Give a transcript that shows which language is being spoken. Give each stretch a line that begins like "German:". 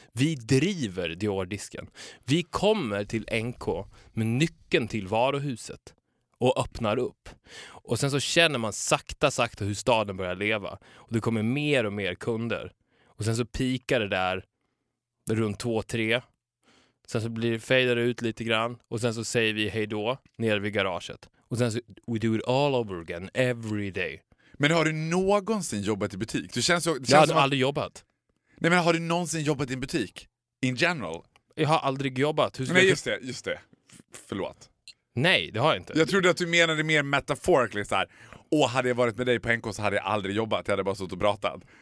Swedish: Vi driver Dior-disken. Vi kommer till NK med nyckeln till varuhuset och öppnar upp. Och sen så känner man sakta hur staden börjar leva. Och det kommer mer och mer kunder. Och sen så pikar det där runt 2-3. Sen så blir det fejdare ut lite grann. Och sen så säger vi hej då nere vid garaget. Och sen så
English: we do it all over again every day.
Swedish: Men har du någonsin jobbat i butik? Jag har aldrig jobbat. Nej, men har du någonsin jobbat i en butik?
English: In general?
Swedish: Jag har aldrig jobbat. Nej, just det. Förlåt. Nej, det har jag inte. Jag trodde att du menade mer metaphorically så här. Åh, hade jag varit med dig på NK så hade jag aldrig jobbat. Jag hade bara suttit och pratat.